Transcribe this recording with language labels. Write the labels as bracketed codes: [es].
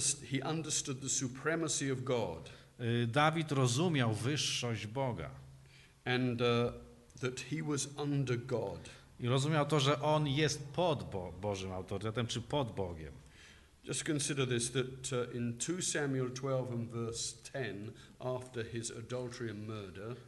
[en] he understood the supremacy of God. [pl] Dawid rozumiał wyższość Boga. [en] And that he was under God. [pl] I rozumiał to, że on jest pod Bożym autorytetem, czy pod Bogiem. [en] Just consider this, that in 2 Samuel 12 and verse 10, after his adultery and murder,